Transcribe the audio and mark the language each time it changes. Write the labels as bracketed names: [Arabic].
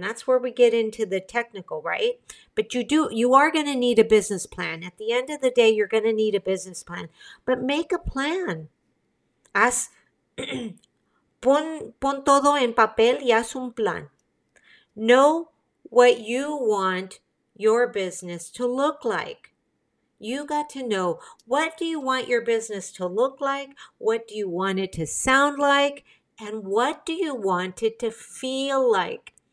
[English] That's where we get into the technical, right? But you are going to need a business plan. At the end of the day, you're going to need a business plan. But make a plan. [Spanish] pon todo en papel y haz un plan. [English] Know what you want your business to look like. You got to know, what do you want your business to look like? What do you want it to sound like? And what do you want it to feel like?